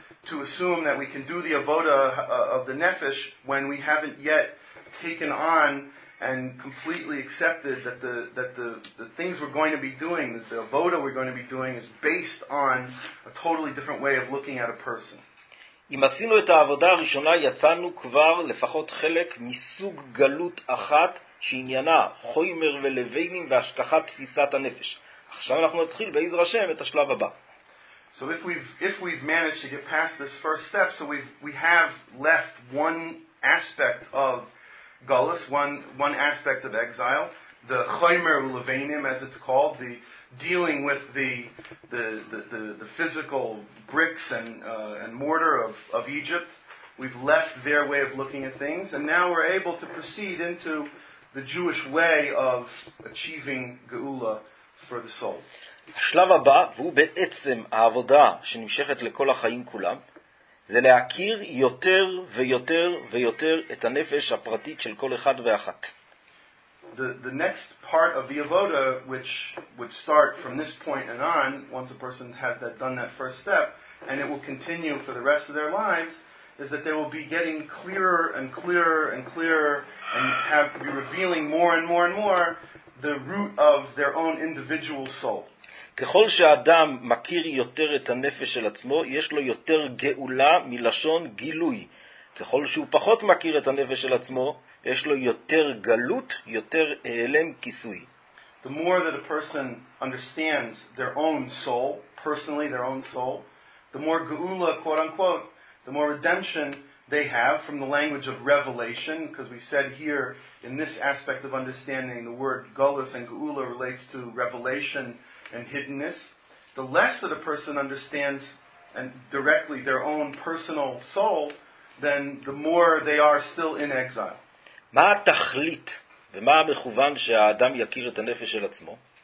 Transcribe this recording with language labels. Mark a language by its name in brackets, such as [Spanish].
[English] to assume that we can do the avoda of the nefesh when we haven't yet taken on and completely accepted that the things we're going to be doing, that the avoda we're going to be doing, is based on a totally different way of looking at a person. [Hebrew] אם עשינו את העבודה הראשונה, יצאנו כבר לפחות חלק מסוג גלות אחת שעניינה חוימר ולווינים והשכחת תפיסת הנפש. עכשיו אנחנו נתחיל בעזר השם את השלב הבא. [English] So if we've managed to get past this first step, so we have left one aspect of gullus, one aspect of exile, the choymer levanim, as it's called, the dealing with the physical bricks and mortar of Egypt. We've left their way of looking at things, and now we're able to proceed into the Jewish way of achieving geula for the soul. [Hebrew] השלב הבא, והוא בעצם העבודה שנמשכת לכל החיים כולם, זה להכיר יותר ויותר ויותר את הנפש הפרטית של כל אחד ואחת. [English] The next part of the avoda, which would start from this point and on, once a person has done that first step, and it will continue for the rest of their lives, is that they will be getting clearer and clearer and clearer and have be revealing more and more and more the root of their own individual soul. [Hebrew] ככל שאדם מכיר יותר את הנפש של עצמו, יש לו יותר גאולה מלשון גילוי. ככל שהוא פחות מכיר את הנפש של עצמו, יש לו יותר גלות, יותר העלם כיסוי. [English] The more that a person understands their own soul, personally their own soul, the more geula, quote unquote, the more redemption they have from the language of revelation, because we said here in this aspect of understanding the word gullus and geula relates to revelation and hiddenness. The less that a person understands and directly their own personal soul, then the more they are still in exile. [Hebrew] מה התכלית ומה המכוון שהאדם יכיר את הנפש של עצמו?